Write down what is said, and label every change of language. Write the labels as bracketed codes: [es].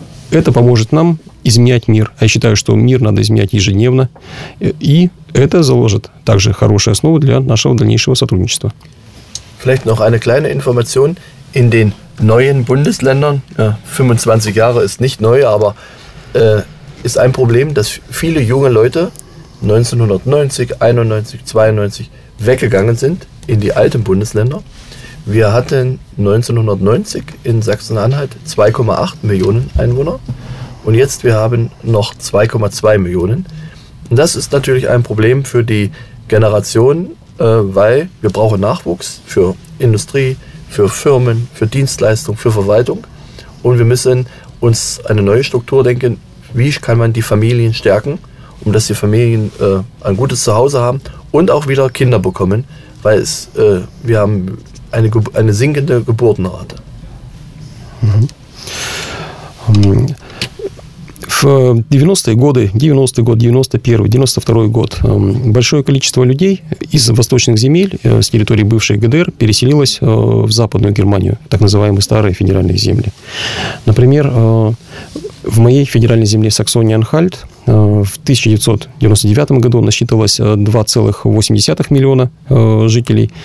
[ru] Это поможет нам изменять мир. Я считаю, что мир надо изменять ежедневно. И это заложит также хорошую основу для нашего дальнейшего сотрудничества. [de] Vielleicht noch eine kleine Information in den neuen Bundesländern, 25 Jahre ist nicht neu, aber ist ein Problem, dass viele junge Leute 1990, 91, 92 weggegangen sind in die alten Bundesländer. Wir hatten 1990 in Sachsen-Anhalt 2,8 Millionen Einwohner und jetzt wir haben noch 2,2 Millionen. Und das ist natürlich ein Problem für die Generation, weil wir brauchen Nachwuchs für Industrie, für Firmen, für Dienstleistung, für Verwaltung. Und wir müssen uns eine neue Struktur denken, wie kann man die Familien stärken, um dass die Familien ein gutes Zuhause haben und auch wieder Kinder bekommen, weil wir haben eine sinkende Geburtenrate. Mhm. [ru] В 90-е годы, 90-й год, 91-й, 92-й год, большое количество людей из восточных земель, с территории бывшей ГДР, переселилось в Западную Германию, так называемые старые федеральные земли. Например, в моей федеральной земле Саксония-Анхальт в 1999 году насчитывалось 2,8 миллиона жителей.